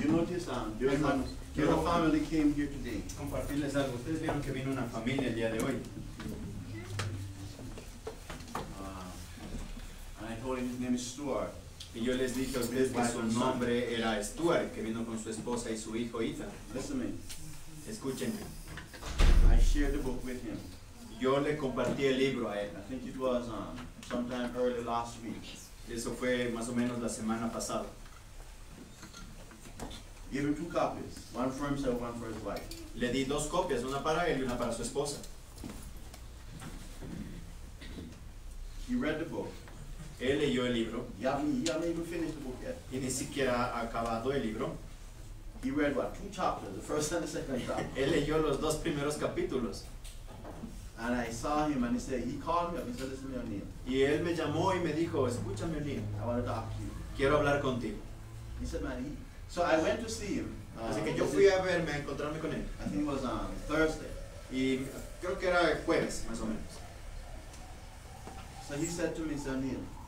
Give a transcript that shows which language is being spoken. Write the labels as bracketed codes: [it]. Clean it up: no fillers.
[en] You notice, dear hermanos, your family came here today. [es] Compartirles algo. Ustedes vieron que vino una familia el día de hoy. [en] And I told him his name is Stuart. [es] Y yo les dije a ustedes que su nombre era Stuart, que vino con su esposa y su hijo Ethan. [en] Listen me. [es] Escúchenme. [en] I shared the book with him. [es] Yo le compartí el libro a él. [en] I think it was sometime early last week. [es] Eso fue más o menos la semana pasada. [en] Give him two copies, one for himself, one for his wife. [es] Le di dos copias, una para él y una para su esposa. [en] He read the book. [es] Él leyó el libro. [en] He hasn't even finished the book yet. [es] Y ni siquiera ha acabado el libro. [en] He read what? Two chapters, the first and the second chapter. [es] Él leyó los dos primeros capítulos. [en] And I saw him and he called me up. He said, "Listen, O'Neill." [es] Y él me llamó y me dijo, "Escúchame, O'Neill. [en] I want to talk to you. [es] Quiero hablar contigo." [en] He said, "Man, so I went to see him." [es] Así que yo fui a verme, a encontrarme con él. [en] I think it was Thursday. [es] Y creo que era jueves, más o menos. [en] So he said to me, "Sir Neil."